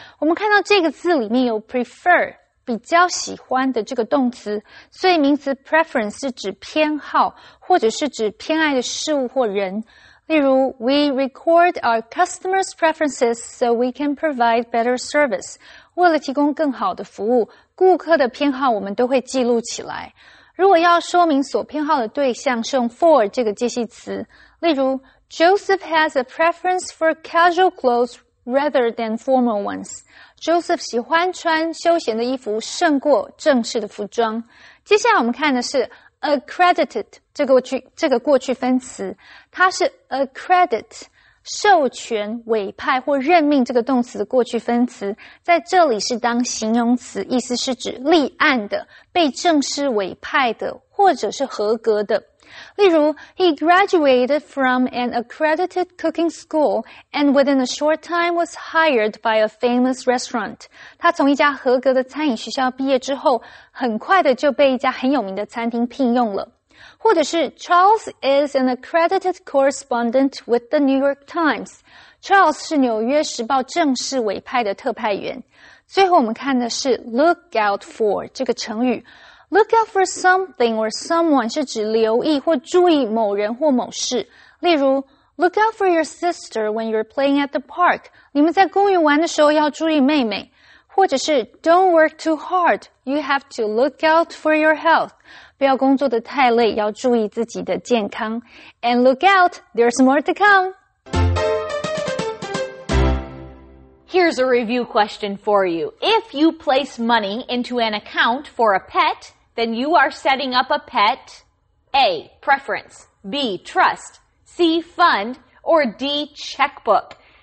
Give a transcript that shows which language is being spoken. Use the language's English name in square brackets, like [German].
[Chinese] 我们看到这个字里面有 prefer 比较喜欢的这个动词，所以名词 preference 是指偏好，或者是指偏爱的事物或人。例如 [English] ，We record our customers' preferences so we can provide better service。 [Chinese] 为了提供更好的服务，顾客的偏好我们都会记录起来。如果要说明所偏好的对象，是用 for 这个介系词。例如。 [English] Joseph has a preference for casual clothes rather than formal ones. [Chinese] Joseph 喜欢穿休闲的衣服胜过正式的服装。接下来我们看的是 accredited 这个过去分词，它是 accredit 授权、委派或任命这个动词的过去分词，在这里是当形容词，意思是指立案的、被正式委派的或者是合格的。例如 [English] ,He graduated from an accredited cooking school and within a short time was hired by a famous restaurant. [Chinese] 他从一家合格的餐饮学校毕业之后，很快的就被一家很有名的餐厅聘用了。或者是 [English] ,Charles is an accredited correspondent with the New York Times. [Chinese] Charles 是纽约时报正式委派的特派员。最后我们看的是 look out for 这个成语。 [English] Look out for something or someone [Chinese] 是指留意或注意某人或某事。例如 [English] ,look out for your sister when you're playing at the park. [Chinese] 你们在公园玩的时候要注意妹妹。或者是 [English] ,don't work too hard. You have to look out for your health. [Chinese] 不要工作得太累要注意自己的健康。 [English] And look out, there's more to come. Here's a review question for you. If you place money into an account for a pet, then you are setting up a pet. A. Preference. B. Trust. C. Fund. Or D. Checkbook.